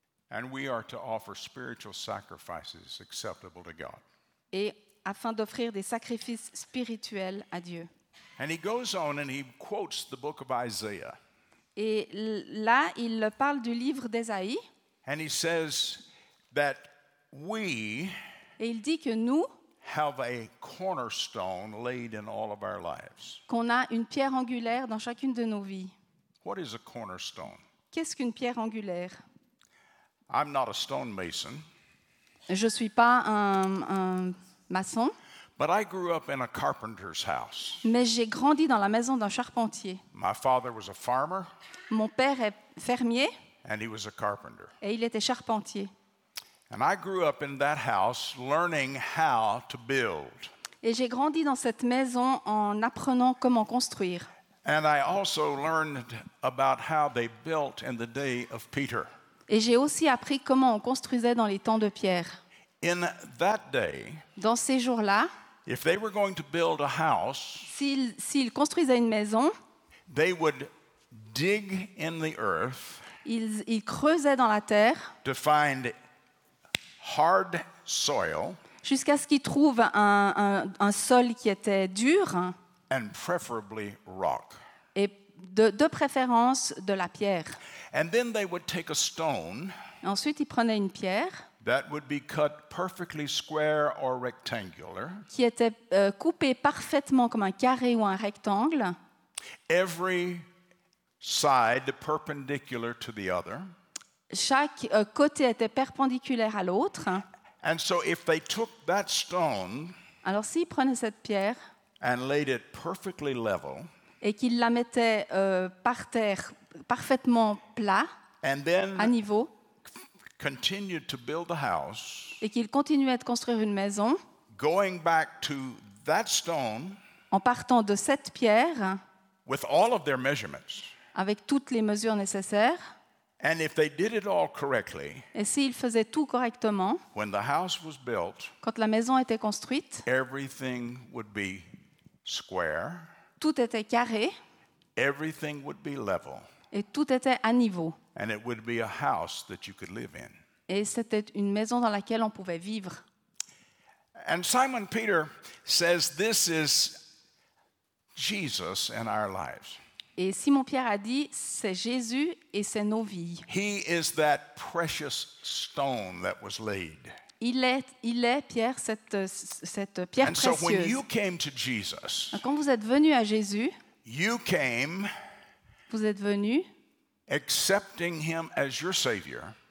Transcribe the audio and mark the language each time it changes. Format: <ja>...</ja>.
<en>And we are to offer spiritual sacrifices acceptable to God.</en> <fr>Et afin d'offrir des sacrifices spirituels à Dieu.</fr> <en>And he goes on and he quotes the book of Isaiah.</en> <fr>Et là, il parle du livre d'Ésaïe.</fr> <en>And he says that we</en> <fr>et il dit que nous</fr> <en>have a cornerstone laid in all of our lives.</en> <fr>Qu'on a une pierre angulaire dans chacune de nos vies.</fr> <en>What is a cornerstone?</en> <fr>Qu'est-ce qu'une pierre angulaire?</fr> <en>I'm not a stonemason.</en> <fr>Je suis pas un maçon.</fr> <en>But I grew up in a carpenter's house.</en> <fr>Mais j'ai grandi dans la maison d'un charpentier.</fr> <en>My father was a farmer.</en> <fr>Mon père est fermier.</fr> <en>And he was a carpenter.</en> <fr>Et il était charpentier.</fr> <en>And I grew up in that house learning how to build.</en> <fr>Et j'ai grandi dans cette maison en apprenant comment construire.</fr> <en>And I also learned about how they built in the day of Peter.</en> <fr>Et j'ai aussi appris comment on construisait dans les temps de Pierre.</fr> <en>In that day,</en> <fr>dans ces jours-là,</fr> <en>if they were going to build a house,</en> <fr>s'ils construisaient une maison,</fr> <en>they would dig in the earth,</en> <fr>ils creusaient dans la terre</fr> <en>to find hard soil,</en> <fr>jusqu'à ce qu'ils trouvent un sol qui était dur</fr> <en>and preferably rock.</en> <fr>Et de préférence de la pierre.</fr> <en>And then they would take a stone.</en> <fr>Ensuite, ils prenaient une pierre.</fr> <en>That would be cut perfectly square or rectangular.</en> <fr>Qui était coupé parfaitement comme un carré ou un rectangle.</fr> <en>Every side perpendicular to the other.</en> <fr>Chaque côté était perpendiculaire à l'autre.</fr> <en>And so if they took that stone.</en> <fr>Alors s'ils prenaient cette pierre.</fr> <en>And laid it perfectly level.</en> <fr>Et qu'ils la mettaient par terre parfaitement plat.</fr> <en>And then</en> <fr>à niveau.</fr> <en>Continued to build the house,</en> <fr>et qu'ils continuaient de construire une maison,</fr> <en>going back to that stone,</en> <fr>en partant de cette pierre,</fr> <en>with all of their measurements,</en> <fr>avec toutes les mesures nécessaires,</fr> <en>and if they did it all correctly,</en> <fr>et s'ils faisaient tout correctement,</fr> <en>when the house was built,</en> <fr>quand la maison était construite,</fr> <en>everything would be square,</en> <fr>tout était carré,</fr> <en>everything would be level,</en> <fr>et tout était à niveau.</fr> <en>And it would be a house that you could live in.</en> <fr>Et c'était une maison dans laquelle on pouvait vivre.</fr> <en>And Simon Peter says this is Jesus in our lives.</en> <fr>Et Simon Pierre a dit c'est Jésus et c'est nos vies.</fr> <en>He is that precious stone that was laid.</en> <fr>Il est Pierre cette pierre précieuse.</fr> <en>And so when you came to Jesus.</en> <fr>Quand vous êtes venu à Jésus.</fr> <en>You came.</en> <fr>Vous êtes venu.</fr> <en>Accepting him as your savior.</en>